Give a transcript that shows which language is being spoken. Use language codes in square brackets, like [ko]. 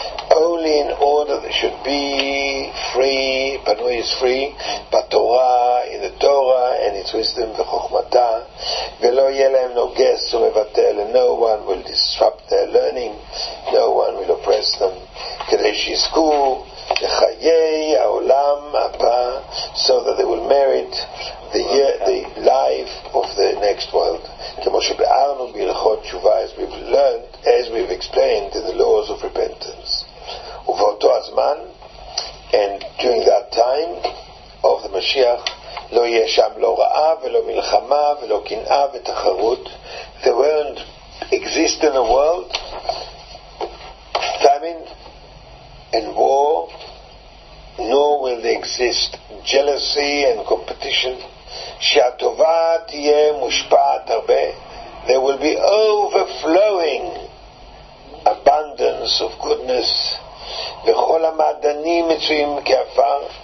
[en] only in order that should be free, פנוי is free, בתורה, in the Torah, and its wisdom [he] וחוכמתה, ולא יהיה להם נוגס ומבטל, [en] and no one will disrupt their learning, no one will oppress them, [he] כדי שיזכו לחיי העולם הבא, [en] so that they will merit the life of the next world. [he] כמו שבארנו בהלכות תשובה, [en] as we've explained in the laws of repentance. [he] ובאותו הזמן, [en] and during that time of the Mashiach, [he] לא יהיה שם לא רעה ולא מלחמה ולא קנאה ותחרות. [en] There won't exist in the world famine and war, nor will they exist jealousy and competition. [he] שהטובה תהיה מושפעת הרבה. [en] There will be overflowing abundance of goodness. [he] וכל המעדנים מצויים כאפר.